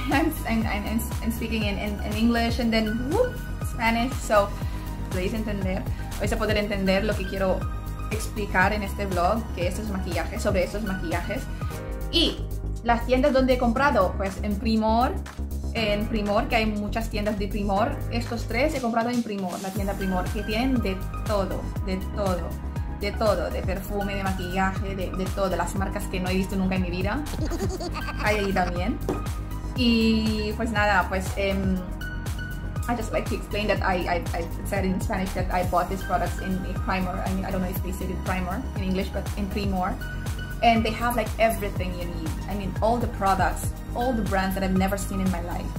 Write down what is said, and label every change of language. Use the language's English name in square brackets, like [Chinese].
[English] I'm speaking in English and then, whoop, Spanish. [Spanish] So, podéis entender, vais a poder entender lo que quiero explicar en este vlog, que estos maquillajes, sobre estos maquillajes. Y las tiendas donde he comprado, pues en Primor, que hay muchas tiendas de Primor. Estos tres he comprado en Primor, la tienda Primor, que tienen de todo, de perfume, de maquillaje, de todo, las marcas que no he visto nunca en mi vida hay ahí también. Y pues nada, pues [English] I just like to explain that I said in Spanish that I bought these products in Primor. I mean, I don't know if they said it in Primor in English, but in Primor. And they have like everything you need. I mean, all the products, all the brands that I've never seen in my life.